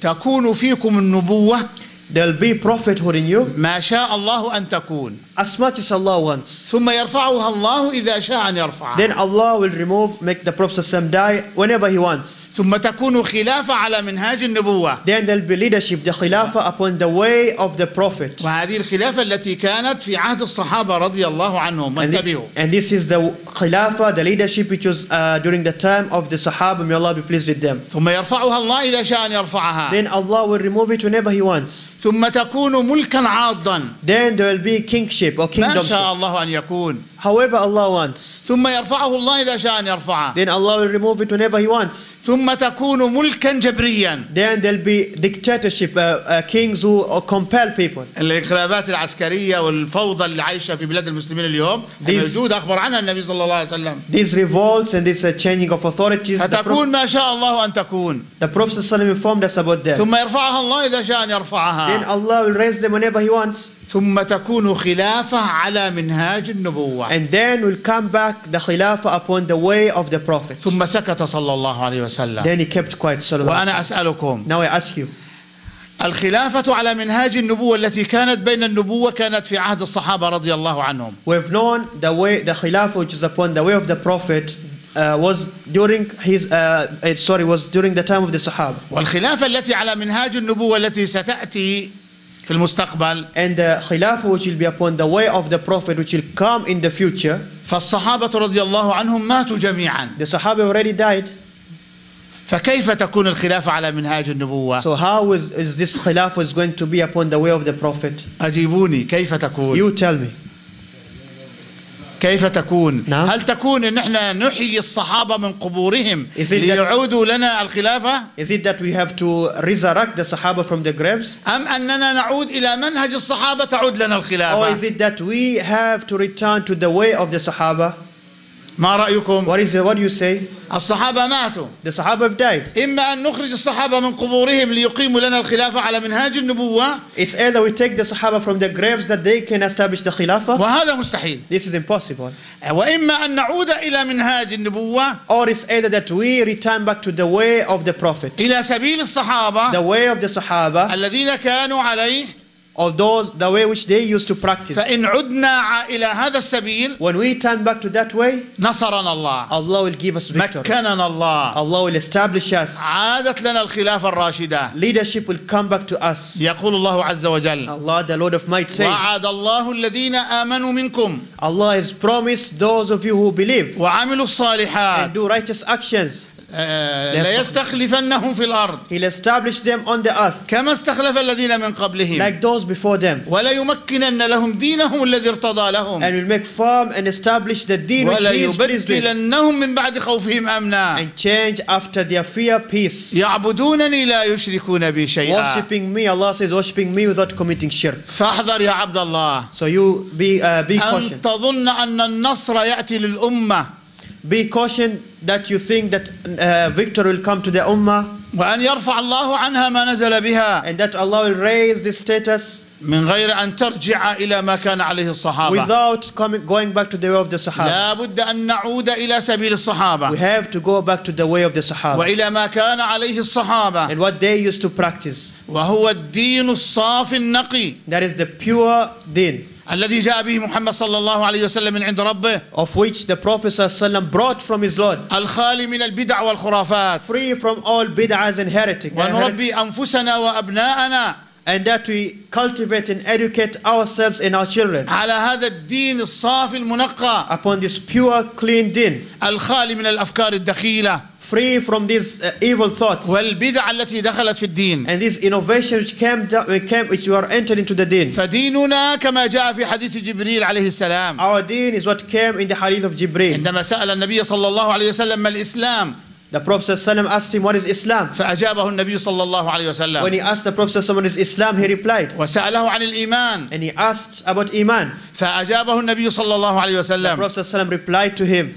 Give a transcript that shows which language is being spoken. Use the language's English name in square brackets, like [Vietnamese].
[Arabic] تكون فيكم النبوة. [English] There'll be prophethood in you. [Arabic] ما شاء الله أن تكون. [English] As much as Allah wants. [Arabic] ثم يرفعها الله إذا شاء أن يرفعها. [English] Then Allah will remove, make the Prophet [Arabic] صلى الله عليه وسلم [English] die whenever he wants. [Arabic] ثم تكون خلافة على منهاج النبوة. [English] Then there'll be leadership, the Khilafah upon the way of the Prophet. [Arabic] وهذه الخلافة التي كانت في عهد الصحابة رضي الله عنهم. [English] And this is the Khilafah, the leadership which was during the time of the Sahaba, may Allah be pleased with them. [Arabic] ثم يرفعها الله إذا شاء أن يرفعها. [English] Then Allah will remove it whenever he wants. [Arabic] ثم تكون ملكا عاضا. [English] Then there will be kingship or kingdom. [Arabic] ما شاء الله أن يكون. [English] However Allah wants. [Arabic] ثم يرفعه الله إذا شاء أن يرفعه. [English] Then Allah will remove it whenever He wants. [Arabic] ثم تكون ملكا جبريا. [English] Then there'll be dictatorship, kings who compel people. [Arabic] الانقلابات العسكرية والفوضى اللي عايشة في بلاد المسلمين اليوم. موجود أخبر عنها النبي صلى الله عليه وسلم. [English] These revolts and this changing of authorities. [Arabic] فتكون ما شاء الله أن تكون. [English] The Prophet [Arabic] صلى الله عليه وسلم [English] informed us about that. [Arabic] ثم يرفعها الله إذا شاء أن يرفعها. [English] Then Allah will raise them whenever He wants. [Arabic] ثم تكون خلافة على منهاج النبوة. [English] And then will come back the Khilafah upon the way of the Prophet. [Arabic] ثم سكت صلى الله عليه وسلم. [English] Then he kept quiet. [Arabic] وأنا أسألكم. [English] Now I ask you. [Arabic] الخلافة على منهاج النبوة التي كانت بين النبوة كانت في عهد الصحابة رضي الله عنهم. [English] We've known the way the Khilafah which is upon the way of the Prophet. Was during his was during the time of the Sahaba. [Arabic] والخلافة التي على منهاج النبوة التي ستأتي في المستقبل. [English] And the Khilafah which will be upon the way of the Prophet which will come in the future. [Arabic] فالصحابة رضي الله عنهم ماتوا جميعا. [English] The Sahaba already died. [Arabic] فكيف تكون الخلافة على منهاج النبوة؟ [English] So how is this Khilafah is going to be upon the way of the Prophet? [Arabic] أجيبوني كيف تكون؟ [English] You tell me. [Arabic] كيف تكون؟ [English] No. [Arabic] هل تكون إن إحنا نحيي الصحابة من قبورهم ليعودوا لنا الخلافة؟ [English] Is it that we have to resurrect the Sahaba from the graves? [Arabic] أم أننا نعود إلى منهج الصحابة تعود لنا الخلافة؟ [English] Or is it that we have to return to the way of the Sahaba? [Arabic] ما رأيكم؟ [English] What do you say? [Arabic] الصحابة ماتوا. [English] The Sahaba have died. [Arabic] إما أن نخرج الصحابة من قبورهم ليقيموا لنا الخلافة على منهاج النبوة. [English] It's either we take the Sahaba from the graves that they can establish the Khilafah. [Arabic] وهذا مستحيل. [English] This is impossible. [Arabic] وإما أن نعود إلى منهاج النبوة. [English] Or it's either that we return back to the way of the Prophet. [Arabic] إلى سبيل الصحابة. [English] The way of the Sahaba. [Arabic] الذين كانوا عليه. [English] Of those the way which they used to practice. [Arabic] فإن عدنا إلى هذا السبيل. [English] When we turn back to that way. [Arabic] نصرنا الله. [English] Allah will give us victory. [Arabic] مكننا الله. [English] Allah will establish us. [Arabic] عادت لنا الخلافة الراشدة. [English] Leadership will come back to us. [Arabic] يقول الله عز وجل. [English] Allah the Lord of Might says. [Arabic] وعد الله الذين آمنوا منكم. [English] Allah has promised those of you who believe. [Arabic] وعملوا الصالحات. [English] And do righteous actions. [Arabic] لا يستخلفنهم في الأرض. [English] He will establish them on the earth. [Arabic] كما استخلف الذين من قبلهم. [English] Like those before them. [Arabic] ولا يمكنن لهم دينهم الذي ارتضى لهم. [English] And will make firm and establish the deen which he is pleased with. [Arabic] ولا يبدلنهم من بعد خوفهم أمنا. [English] And change after their fear peace. [Arabic] يعبدونني لا يشركون بي شيئا. [English] Worshipping me, Allah says, worshipping me without committing shirk. [Arabic] فاحذر يا عبد الله. [English] So you be cautious. [Arabic] أن تظن أن النصر يأتي للأمة. [English] Be cautioned that you think that victory will come to the ummah. [Arabic] وأن يرفع الله عنها ما نزل بها. [English] And that Allah will raise this status. [Arabic] من غير أن ترجع إلى ما كان عليه الصحابة. [English] Without going back to the way of the Sahaba. [Arabic] لا بد أن نعود إلى سبيل الصحابة. [English] We have to go back to the way of the Sahaba. [Arabic] وإلى ما كان عليه الصحابة. [English] And what they used to practice. [Arabic] وهو الدين الصافي النقي. [English] That is the pure deen. [Arabic] الذي جاء به محمد صلى الله عليه وسلم من عند ربه. [English] Of which the Prophet [Arabic] صلى الله عليه وسلم [English] brought from his Lord. [Arabic] الخالي من البدع والخرافات. [English] Free from all bid'ahs and heretics. [Arabic] ونربي أنفسنا وأبناءنا. [English] And that we cultivate and educate ourselves and our children. [Arabic] على هذا الدين الصافي المنقى. [English] Upon this pure, clean deen. [Arabic] الخالي من الأفكار الدخيلة. [English] Free from these evil thoughts. [Arabic] والبدع التي دخلت في الدين. [English] And this innovation which came, which were entered into the deen. [Arabic] فديننا كما جاء في حديث جبريل عليه السلام. [English] Our deen is what came in the hadith of Jibreel. [Arabic] عندما سأل النبي صلى الله عليه وسلم ما الإسلام. [English] The Prophet [Arabic] صلى الله عليه وسلم [English] asked him what is Islam. [Arabic] فأجابه النبي صلى الله عليه وسلم. [English] When he asked the Prophet [Arabic] صلى الله عليه وسلم [English] what is Islam, he replied. [Arabic] وسأله عن الإيمان. [English] And he asked about إيمان. [Arabic] فأجابه النبي صلى الله عليه وسلم. [English] The Prophet [Arabic] صلى الله عليه وسلم [English] replied to him.